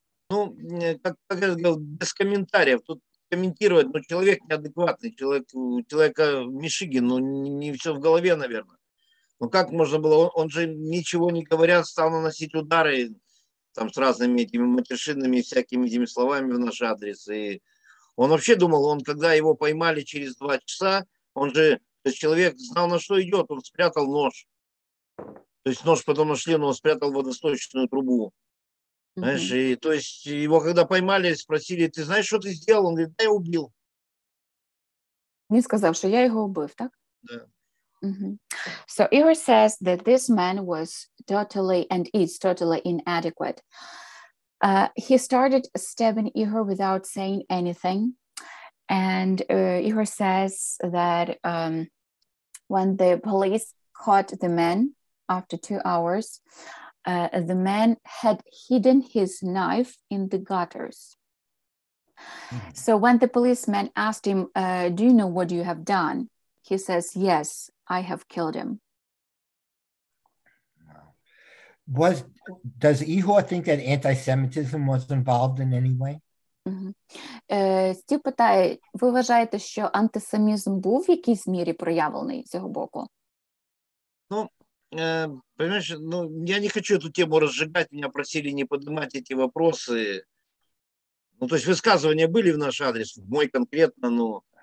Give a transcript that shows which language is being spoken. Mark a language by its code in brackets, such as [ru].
[uk] Ну, як я сказав, без коментарів. Тут коментувати, ну, чоловік неадекватний, чоловіка в Мішигі, ну, не все в голові, мабуть. Ну, як можна було, він же нічого не говорить, став наносити удари там з різними цими матершинними всякими цими словами в наш адрес, і... [ru] Он вообще думал, он когда его поймали через 2 часа, он же, то есть человек знал, на что идет, он спрятал нож. То есть нож потом нашли, но он спрятал водосточную трубу. Mm-hmm. Знаешь, и то есть его когда поймали, спросили, ты знаешь, что ты сделал? Он говорит, да я убил. [uk] Не сказав, что я его убив, так? [ru] Да. Mm-hmm. [en] So Ihor says that this man was totally and is totally inadequate. He started stabbing Ihor without saying anything. And Ihor says that when the police caught the man after 2 hours, the man had hidden his knife in the gutters. So when the policeman asked him, do you know what you have done? He says, yes, I have killed him. Does Ihor think that anti-Semitism was involved in any way? [uk] Стів питає, ви вважаєте, що антисемітизм був в якійсь мірі проявлений з його боку? [ru] Ну, понимаешь, ну, я не хочу эту тему разжигать, меня просили не поднимать эти вопросы. Ну, то есть высказывания были в наш адрес, в мой конкретно, но...